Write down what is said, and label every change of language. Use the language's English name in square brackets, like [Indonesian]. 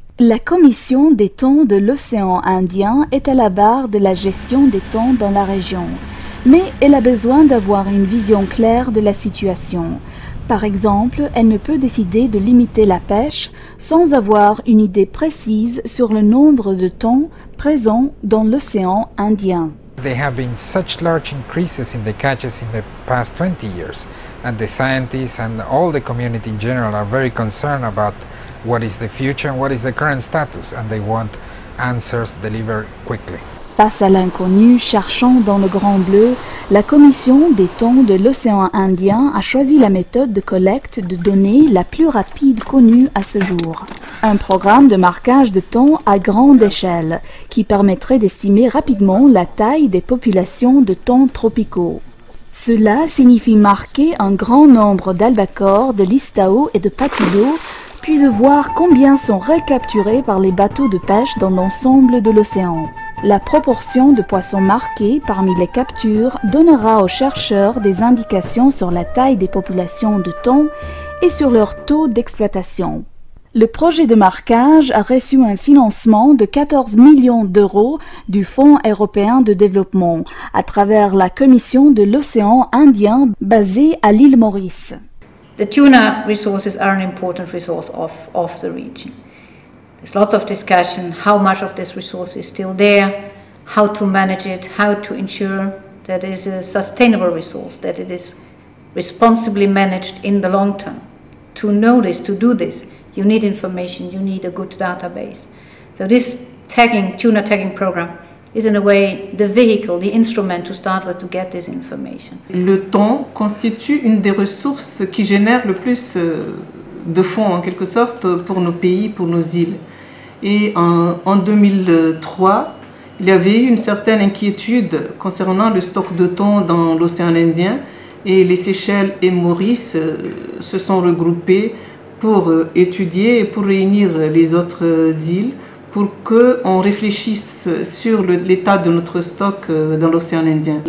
[French] La Commission des thons de l'océan Indien est à la barre de la gestion des thons dans la région, mais elle a besoin d'avoir une vision claire de la situation. Par exemple, elle ne peut décider de limiter la pêche sans avoir une idée précise sur le nombre de thons présents dans l'océan Indien. [English] There have been such large increases in the catches in the past 20 years, and the scientists and all the community in general are very concerned about what is the future and what is the current status, and they want answers delivered quickly. [French] Face à l'inconnu, cherchant dans le grand bleu, la Commission des thons de l'océan Indien a choisi la méthode de collecte de données la plus rapide connue à ce jour. Un programme de marquage de thons à grande échelle qui permettrait d'estimer rapidement la taille des populations de thons tropicaux. Cela signifie marquer un grand nombre d'albacores, de listao et de patudo, puis de voir combien sont recapturés par les bateaux de pêche dans l'ensemble de l'océan. La proportion de poissons marqués parmi les captures donnera aux chercheurs des indications sur la taille des populations de thon et sur leur taux d'exploitation. Le projet de marquage a reçu un financement de 14 millions d'euros du Fonds européen de développement à travers la Commission de l'océan Indien basée à l'île Maurice. [English] The tuna resources are an important resource of the region. There's lots of discussion how much of this resource is still there, how to manage it, how to ensure that it is a sustainable resource, that it is responsibly managed in the long term. To know this, to do this, you need information, you need a good database. So this tagging, tuna tagging program is in a way the vehicle, the instrument to start with to get this information. [French] Le thon constitue une des ressources qui génère le plus de fonds, en quelque sorte, pour nos pays, pour nos îles. Et en 2003, il y avait eu une certaine inquiétude concernant le stock de thon dans l'océan Indien, et les Seychelles et Maurice se sont regroupés pour étudier et pour réunir les autres îles pour qu'on réfléchisse sur l'état de notre stock dans l'océan Indien.